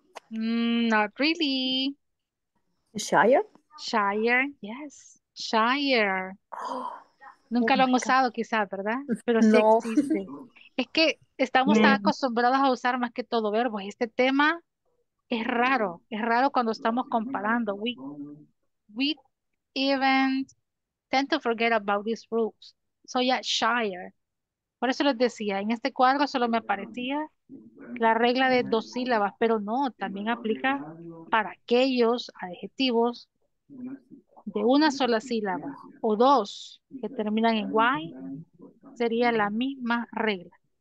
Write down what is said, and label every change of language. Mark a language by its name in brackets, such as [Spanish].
[English] not really. Shyer? Shyer, yes. Shyer. [Spanish] Nunca lo han usado quizás, ¿verdad? Pero sí no. Existe. Es que estamos tan acostumbrados a usar más que todo verbos. Este tema es raro. Es raro cuando estamos comparando. [English] We even tend to forget about these rules. So yeah, shyer. [Spanish] Por eso les decía, en este cuadro solo me aparecía la regla de dos sílabas, pero no, también aplica para aquellos adjetivos de una sola sílaba o dos que terminan en Y, sería la misma regla.